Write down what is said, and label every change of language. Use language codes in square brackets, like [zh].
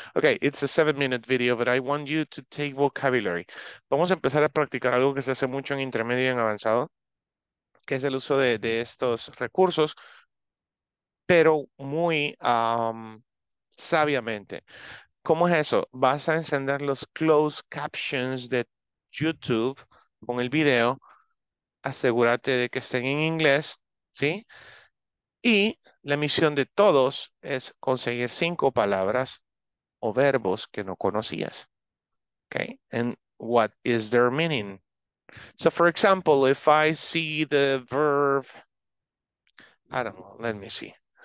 [en] Okay, it's a 7-minute video, but I want you to take vocabulary. [es] Vamos a empezar a practicar algo que se hace mucho en intermedio y en avanzado, que es el uso de estos recursos, pero muy sabiamente. ¿Cómo es eso? Vas a encender los closed captions de YouTube con el video. Asegúrate de que estén en inglés, ¿sí? Y la misión de todos es conseguir 5 palabras o verbos que no conocías. [en] Okay. And what is their meaning? So, for example, if I see the verb, I don't know, let me see.